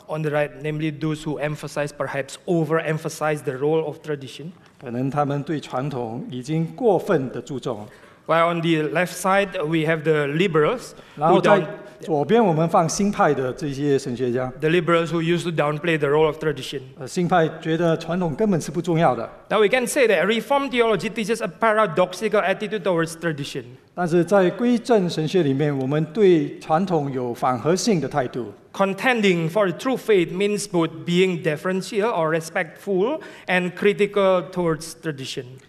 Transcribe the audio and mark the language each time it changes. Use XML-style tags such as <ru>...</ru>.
<en>on the right, namely those who emphasize, perhaps overemphasize the role of tradition.</en> <zh>可能他们对传统已经过分的注重。</zh> <en>While on the left side, we have the liberals.</en> <zh>然后在左边，我们放新派的这些神学家。</zh> <en>The liberals who used to downplay the role of tradition.</en> <zh>新派觉得传统根本是不重要的。</zh> <en>Now we can say that Reformed theology teaches a paradoxical attitude towards tradition.</en> <zh>但是在归正神学里面，我们对传统有反合性的态度。</zh> <en>Contending for the true faith means both being deferential or respectful and critical towards tradition.</en>